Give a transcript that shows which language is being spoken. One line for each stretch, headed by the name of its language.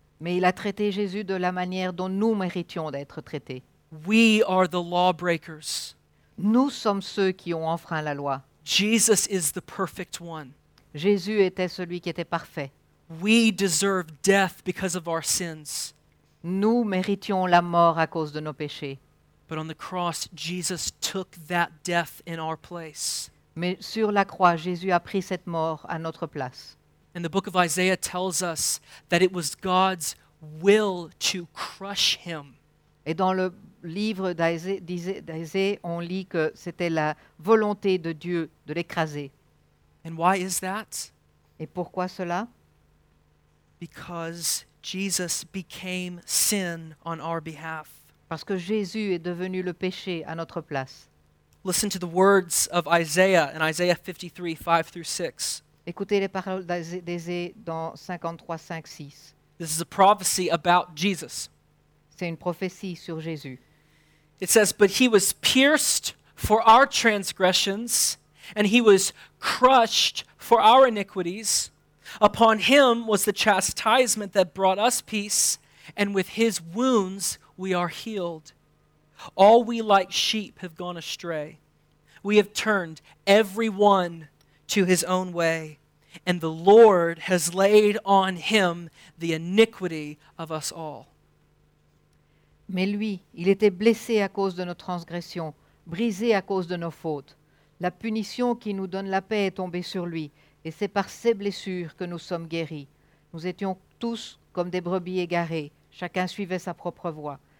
French: Mais il a traité Jésus de la manière dont nous méritions d'être traités.
English: We are the lawbreakers.
French: Nous sommes ceux qui ont enfreint la loi.
English: Jesus is the perfect one.
French: Jésus était celui qui était parfait.
English: We deserve death because of our sins.
French: Nous méritions la mort à cause de nos péchés.
English: But on the cross, Jesus took that death in our place.
French: Mais sur la croix, Jésus a pris cette mort à notre place.
English: And the book of Isaiah tells us that it was God's will to crush him.
French: Et dans le livre d'Isaïe, on lit que c'était la volonté de Dieu de l'écraser.
English: And why is that?
French: Et pourquoi cela?
English: Because Jesus became sin on our behalf.
French: Parce que Jésus est devenu le péché à notre place.
English: Listen to the words of Isaiah in Isaiah 53, 5 through 6.
French: Écoutez les paroles d'Isaïe dans 53, 5, 6.
English: This is a prophecy about Jesus.
French: C'est une prophétie sur Jésus.
English: It says, but he was pierced for our transgressions, and he was crushed for our iniquities. Upon him was the chastisement that brought us peace, and with his wounds we are healed. All we like sheep have gone astray. We have turned every one to his own way, and the Lord has laid on him the iniquity of us all.
French: Mais lui, il était blessé à cause de nos transgressions, brisé à cause de nos fautes. La punition qui nous donne la paix est tombée sur lui, et c'est par ses blessures que nous sommes guéris. Nous étions tous comme des brebis égarées, chacun suivait sa propre voie.